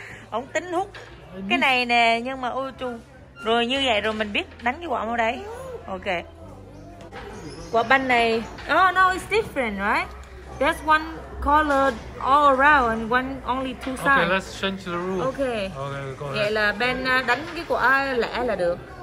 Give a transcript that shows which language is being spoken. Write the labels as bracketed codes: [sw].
[vi] Ông tính hút cái này nè, nhưng mà ôi chung. Rồi như vậy rồi mình biết đánh cái quả vào đây. [en] Ok. Quả banh này, oh no, it's different, right? There's one color all around and one only two sides. Okay, let's change the rule. Okay. Okay, [vi] vậy là Ben đánh cái quả lẻ là được.